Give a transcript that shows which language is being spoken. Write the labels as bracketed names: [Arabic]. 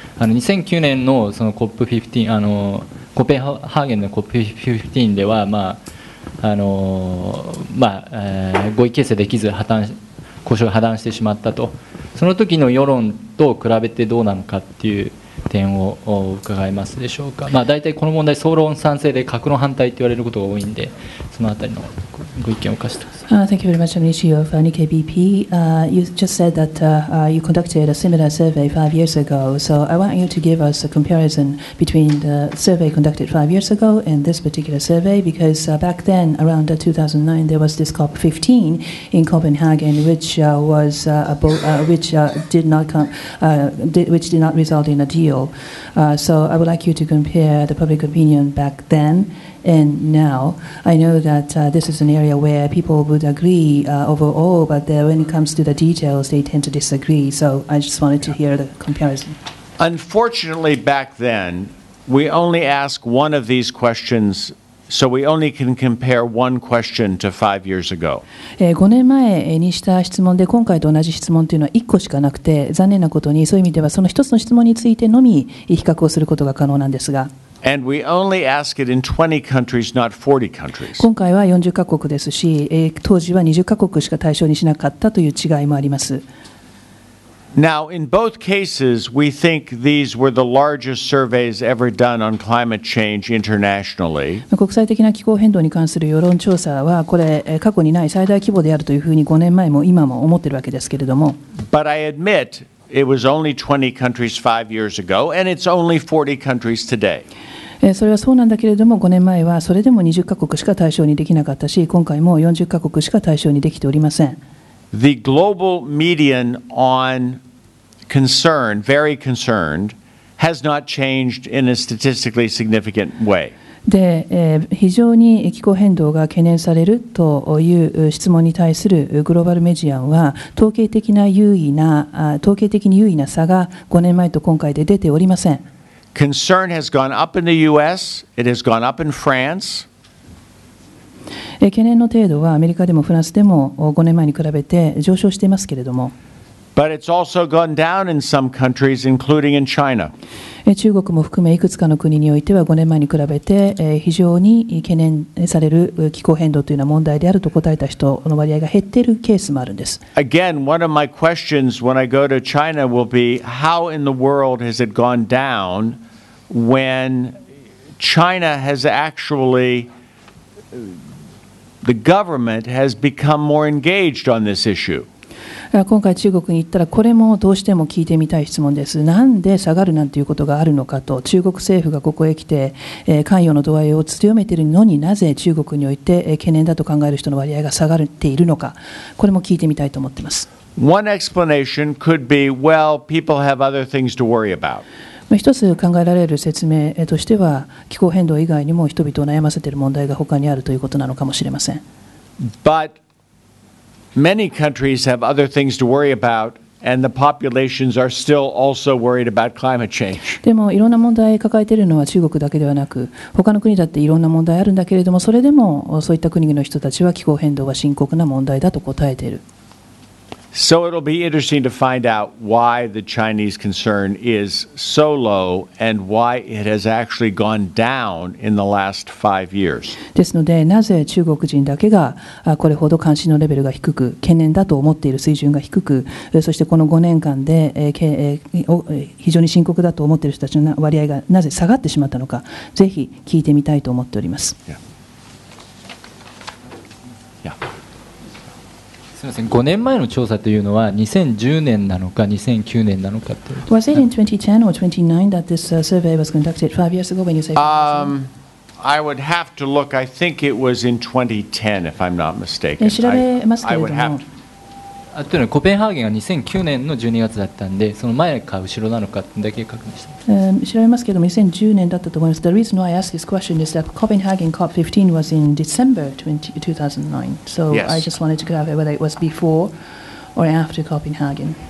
[Japanese] 2009年 の、 そのコップ15、コペンハーゲンのコップ15では、合意形成できず破綻、交渉が破綻してしまったと。その時の世論と比べてどうなのかという点を伺えますでしょうか。大体この問題、総論賛成で格論反対と言われることが多いんで、そのあたりのご意見を貸してください。 [English] Thank you very much, Nishi of Nikkei BP. You just said that you conducted a similar survey 5 years ago. So I want you to give us a comparison between the survey conducted 5 years ago and this particular survey, because back then, around 2009, there was this COP15 in Copenhagen, which did not result in a deal. So I would like you to compare the public opinion back then. And now, I know that this is an area where people would agree overall, but when it comes to the details, they tend to disagree. So I just wanted to hear the comparison. Unfortunately, back then, we only ask one of these questions, so we only can compare one question to 5 years ago. [Japanese] 5年前にした質問で、今回と同じ質問というのは1個しかなくて、残念なことに、そういう意味ではその1つの質問についてのみ比較をすることが可能なんですが、 [English] And we only ask it in 20 countries, not 40 countries. [Japanese] 今回は40カ国ですし、当時は20カ国しか対象にしなかったという違いもあります。 [English] Now, in both cases, we think these were the largest surveys ever done on climate change internationally. [Japanese] 国際的な気候変動に関する世論調査は、これ、過去にない最大規模であるというふうに5年前も今も思っているわけですけれども。 [English] But I admit,It was only 20 countries 5 years ago, and it's only 40 countries today. [Japanese] それはそうなんだけれども、5年前はそれでも20カ国しか対象にできなかったし、今回も40カ国しか対象にできておりません。 [English] The global median on concern, very concerned, has not changed in a statistically significant way. [Japanese] で、非常に気候変動が懸念されるという質問に対するグローバルメディアンは、統計的に優位な差が5年前と今回で出ておりません。 [English] Concern has gone up in the US, it has gone up in France. [Japanese] 懸念の程度はアメリカでもフランスでも5年前に比べて上昇していますけれども。 [English] But it's also gone down in some countries, including in China. [Japanese] 中国も含めいくつかの国においては、5年前に比べて非常に懸念される気候変動というような問題であると答えた人の割合が減っているケースもあるんです。 [English] Again, one of my questions when I go to China will be, how in the world has it gone down when China has actually... the government has become more engaged on this issue? [Japanese] 今回中国に行ったら、これもどうしても聞いてみたい質問です。なんで下がるなんていうことがあるのかと、中国政府がここへ来て、関与の度合いを強めているのになぜ中国において懸念だと考える人の割合が下がっているのか、これも聞いてみたいと思っています。 [English] One explanation could be, well, people have other things to worry about. [Japanese] 一つ考えられる説明としては、気候変動以外にも人々を悩ませている問題が他にあるということなのかもしれません。 [English] ButMany countries have other things to worry about, and the populations are still also worried about climate change. [Japanese] でもいろんな問題抱えているのは中国だけではなく、他の国だっていろんな問題あるんだけれども、それでもそういった国々の人たちは気候変動は深刻な問題だと答えている。 [English] So it'll be interesting to find out why the Chinese concern is so low and why it has actually gone down in the last 5 years. [Japanese] ですので、なぜ中国人だけがこれほど関心のレベルが低く、懸念だと思っている水準が低く、そしてこの5年間で非常に深刻だと思っている人たちの割合がなぜ下がってしまったのか、ぜひ聞いてみたいと思っております。 [English] Yeah. Yeah. [Japanese] すみません。 5年前の調査というのは2010年なのか2009年なのかというと。 [English] Was it in 2010 or 2009 that this survey was conducted 5 years ago when you say 5 years ago? I would have to look. I think it was in 2010, if I'm not mistaken. [Japanese] 調べますけれども。あというのはコペンハーゲンが2009年の12月だったんで、その前か後ろなのかだけ確認して、調べますけども2010年だったと思います。 [English] The reason why I ask this question is that Copenhagen COP15 was in December 2009. So、 yes. I just wanted to clarify whether it was before or after Copenhagen.